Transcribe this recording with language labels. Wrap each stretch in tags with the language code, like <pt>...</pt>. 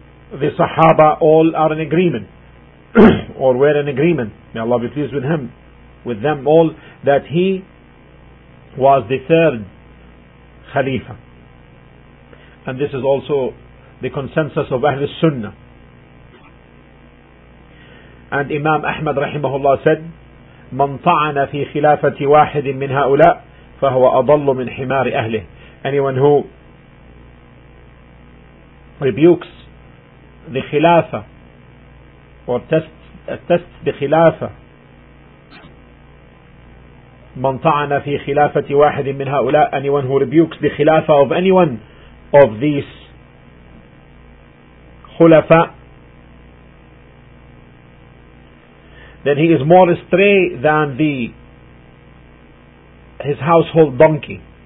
<en>the Sahaba all are in agreement, or were in agreement, may Allah be pleased with him, with them all, that he was the third Khalifa. And this is also the consensus of Ahl Sunnah. And Imam Ahmad rahimahullah said,</en> <ar>من طعن في خلافة واحد من هؤلاء فهو أضل من حمار أهله.</ar> <en>Anyone who rebukes the Khilafa or tests the Khilafa,</en> <ar>من طعن في خلافة واحد من هؤلاء,</ar> <en>anyone who rebukes the Khilafa of anyone of these Khulafa, then he is more astray than his household donkey.</en>